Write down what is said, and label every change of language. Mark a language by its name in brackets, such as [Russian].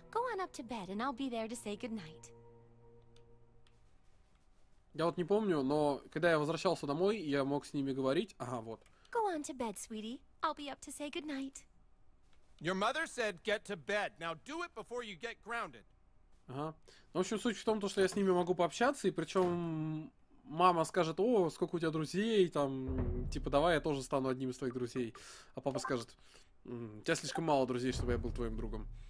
[English] Go on up to bed, and I'll be there to say goodnight. [Russian] Я вот не помню, но когда я возвращался домой, я мог с ними говорить. Ага, вот. [English] Go on to bed, sweetie. I'll be up to say goodnight. Your mother said get to bed. Now do it before you get grounded. [Russian] Ага. Ну, в общем, суть в том, что я с ними могу пообщаться, и причем... Мама скажет, о, сколько у тебя друзей, там, типа, давай я тоже стану одним из твоих друзей. А папа скажет, у тебя слишком мало друзей, чтобы я был твоим другом.